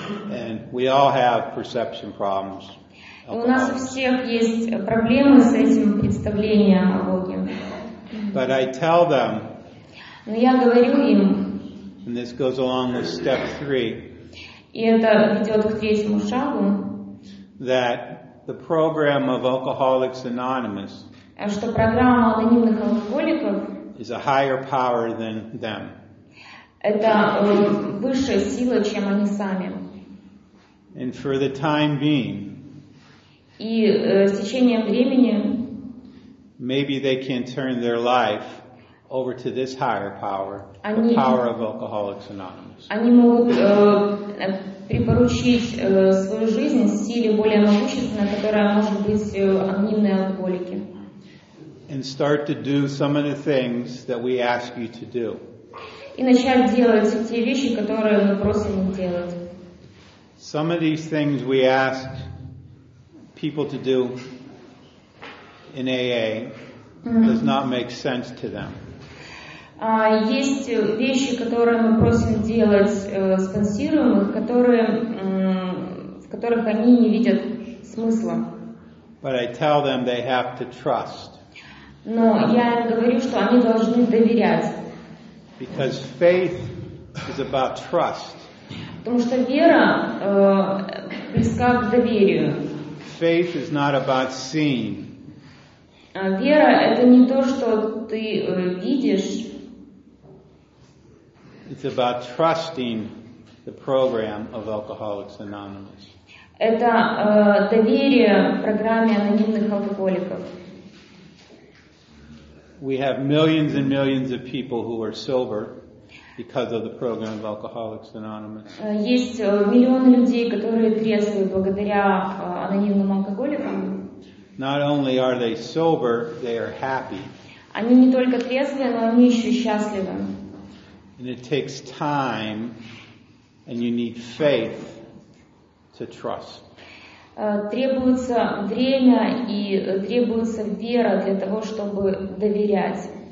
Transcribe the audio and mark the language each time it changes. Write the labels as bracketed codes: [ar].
[en] And we all have perception problems. [ru] У нас у всех есть проблемы с этим представлением о Боге. [en] But I tell them, [ru] но я говорю им, [en] and this goes along with step three, [ru] и это ведет к третьему шагу, [en] that the program of Alcoholics Anonymous, [ru] что программа анонимных алкоголиков, [en] is a higher power than them. [ru] Это высшая сила, чем они сами. [en] And for the time being, [ru] и с течением времени, [en] maybe they can turn their life over to this higher power, [ru] они, [en] the power of Alcoholics Anonymous. [ru] Они могут припоручить свою жизнь силе более могущественной, которая может быть анонимные алкоголики. [en] And start to do some of the things that we ask you to do. [ru] И начать делать те вещи, которые мы просим их делать. [en] Some of these things we ask people to do in AA does not make sense to them. [ru] Есть вещи, которые мы просим делать спонсируемых, которые, в которых они не видят смысла. [en] But I tell them they have to trust. [ru] Но я им говорю, что они должны доверять. [en] Because faith is about trust. [ru] Потому что вера близка к доверию. [en] Faith is not about seeing. [ru] Вера — это не то, что ты видишь. [en] It's about trusting the program of Alcoholics Anonymous. [ru] Это доверие программе анонимных алкоголиков. [en] We have millions and millions of people who are sober because of the program of Alcoholics Anonymous. [ru] Есть миллионы людей, которые трезвы благодаря анонимным алкоголикам. [en] Not only are they sober, they are happy. [ru] Они не только трезвые, но они еще счастливы. [en] And it takes time, and you need faith to trust. [ru] Требуется время и требуется вера для того, чтобы доверять.